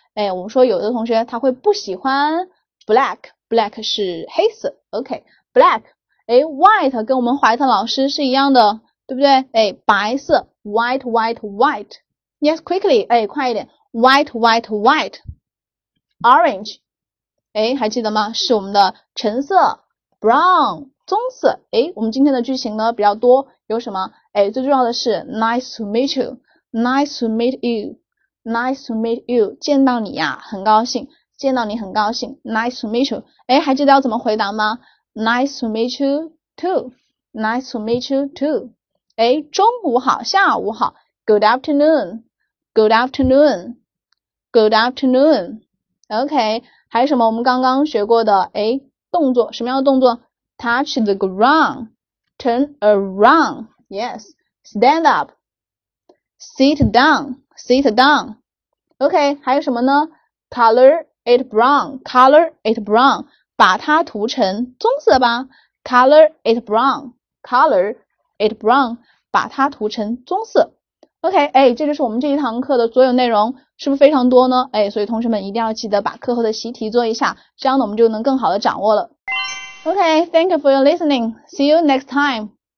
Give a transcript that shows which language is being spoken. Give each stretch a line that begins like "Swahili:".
Chinese: 哎，我们说有的同学他会不喜欢 black, black 是黑色 ,OK, black, 哎 ,white 跟我们怀特老师是一样的对不对哎白色 ,white, white, white, yes, quickly, 哎快一点 ,white, white, white, orange, 哎还记得吗是我们的橙色 ,brown, 棕色哎我们今天的句型呢比较多有什么哎最重要的是
English: nice to meet you,Nice to meet you, Nice to meet you，
Chinese: 见到你呀，很高兴，见到你很高兴。
English: Nice to meet you，
Chinese: 哎，还记得要怎么回答吗？
English: Nice to meet you too，Nice to meet you too，
Chinese: 哎，中午好，下午好，
English: Good afternoon，Good afternoon，Good afternoon，OK，
Chinese: 还有什么我们刚刚学过的？哎，动作，什么样的动作？
English: Touch the ground，Turn around，Yes，Stand up，Sit down，Sit down。 OK，
Chinese: 还有什么呢？
English: Color it brown，Color it brown，
Chinese: 把它涂成棕色吧。
English: Color it brown，Color it brown，
Chinese: 把它涂成棕色。 OK，哎，这就是我们这一堂课的所有内容，是不是非常多呢？哎，所以同学们一定要记得把课后的习题做一下，这样呢我们就能更好的掌握了。OK，
English: thank you for your listening. See you next time.